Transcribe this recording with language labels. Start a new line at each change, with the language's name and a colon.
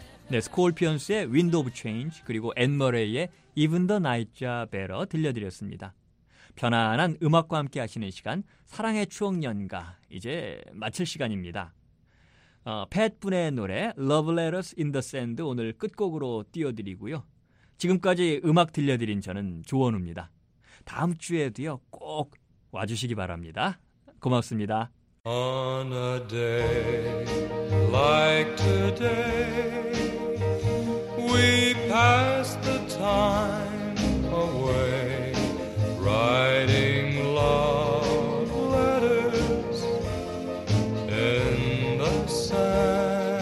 Korean: 스콜피언스의 Wind of Change, 그리고 앤 머레이의 Even the Nights Are Better 들려드렸습니다. 편안한 음악과 함께 하시는 시간, 사랑의 추억연가, 이제 마칠 시간입니다. 팻분의 노래 Love Letters in the Sand 오늘 끝곡으로 띄워드리고요. 지금까지 음악 들려드린 저는 조원우입니다. 다음 주에도요 꼭 와주시기 바랍니다. 고맙습니다.
English: On a day like today we pass the time away, writing love letters in the sand.